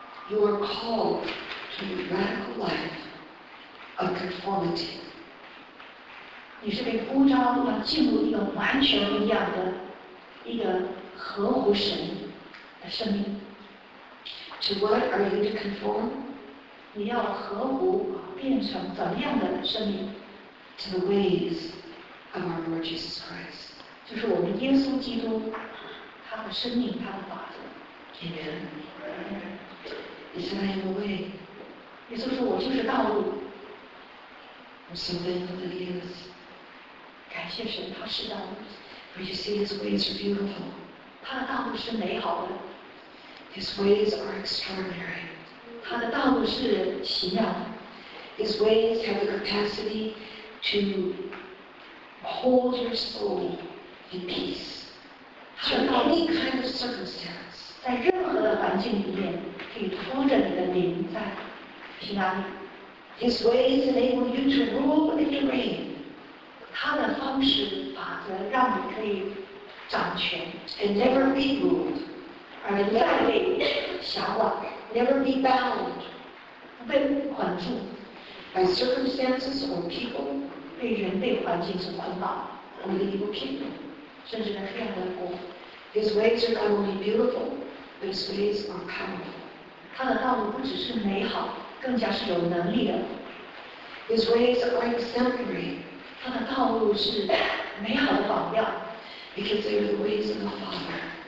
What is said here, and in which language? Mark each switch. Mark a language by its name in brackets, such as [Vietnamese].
[English] You are called to a radical life of conformity. [Chinese] 你是被呼召进入一个完全不一样的、一个合乎神的生命。 [English] To what are you to conform? [Chinese] 你要合乎变成怎样的生命? [English] To the ways of our Lord Jesus Christ. [Chinese] 就是我们耶稣基督，他的生命，他的法则。 [English] Amen. He said, I am the way. [Chinese] 耶稣说，我就是道路。 [English] I'm so thankful that he is. [Chinese] 感谢神，他是道路。 [English] But you see, his ways are beautiful. [Chinese] 他的道路是美好的。 [English] His ways are extraordinary. [Chinese] 他的道路是奇妙的。 [English] His ways have the capacity to hold your soul in peace. [Chinese] 他的道路, [English] any kind of circumstance. [Chinese] 在任何的环境里面，可以托着你的灵在平安里。 [English] His ways enable you to rule and reign. [Chinese] 他的方式法则让你可以掌权。 [English] And never be ruled. And never be bound [Chinese] 被捆住, [English] by circumstances or people, [Chinese] 被人被环境所捆绑, [English] or the evil kingdom, [Chinese] 甚至呢黑暗的国. [English] His ways are not only beautiful, but his ways are powerful. [Chinese] 他的道路不只是美好, 更加是有能力的. [English] His ways are exemplary. [Chinese] 他的道路是美好的榜样. [English] Because they are the ways of the Father.